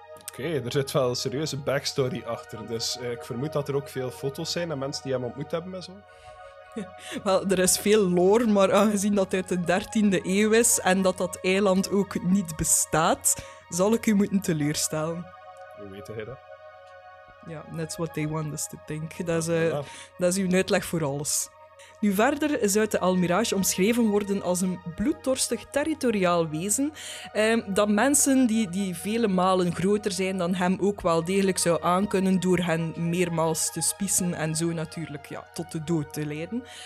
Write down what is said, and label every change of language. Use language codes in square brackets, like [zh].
[nl] Oké, okay, er zit wel een serieuze backstory achter. Dus ik vermoed dat er ook veel foto's zijn en mensen die hem ontmoet hebben en zo. Wel, er is veel lore, maar aangezien dat uit de 13e eeuw is en dat eiland ook niet bestaat, zal ik u moeten teleurstellen. Hoe weet hij dat? [en] Ja, that's what they want us to think. [nl] Dat is uw uitleg voor alles. Nu verder zou de Almirage omschreven worden als een bloeddorstig territoriaal wezen dat mensen die vele malen groter zijn dan hem ook wel degelijk zou aankunnen door hen meermaals te spiesen en zo natuurlijk ja, tot de dood te leiden.